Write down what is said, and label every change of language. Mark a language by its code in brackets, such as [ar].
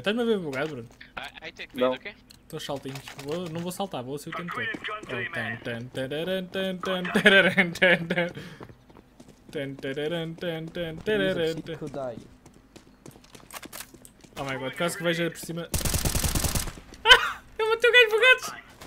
[pt] Estás-me a ver bugado, Bruno? [en] I take mid, ok? [pt] Estou saltinho. Não vou saltar, vou ser o tempo todo. Oh, tan tan tan tan tan tan tan tan tan tan tan tan tan tan tan tan. [en] Oh my god, [pt] quase que vejo por cima. Eu matei o gajo bugado!